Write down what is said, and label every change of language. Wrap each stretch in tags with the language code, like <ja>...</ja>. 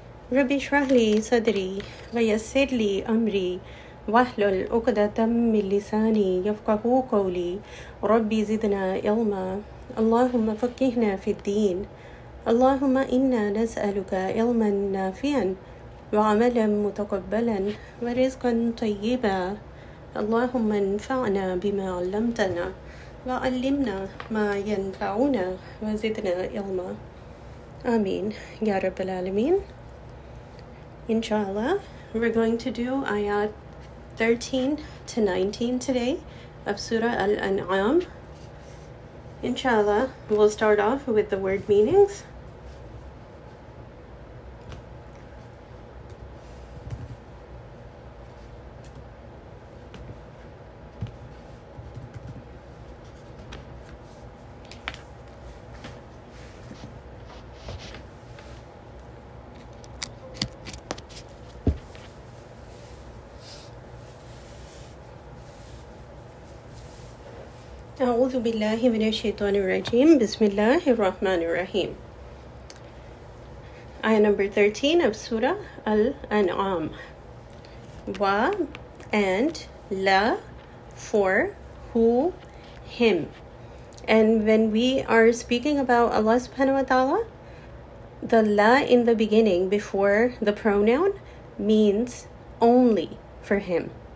<ar>رب اشرح لي صدري ويسر لي أمري واحلل عقدة من لساني يفقهوا قولي رب زدنا علما اللهم فقهنا في الدين اللهم إنا نسألك علما نافعا وعملا متقبلا ورزقا طيبا اللهم انفعنا بما علمتنا وعلمنا ما ينفعنا وزدنا علما آمين يا رب العالمين.</ar> <en>Inshallah, we're going to do ayat 13 to 19 today of Surah Al-An'am. Inshallah, we'll start off with the word meanings.</en> <ar>أعوذ بالله من الشيطان الرجيم بسم الله الرحمن الرحيم. آية نمبر 13</ar> <en>of</en> <ar>سورة الأنعام.</ar> <en>و and لا for who him. And when we are speaking about Allah subhanahu wa ta'ala, the la in the beginning before the pronoun means only for him.</en>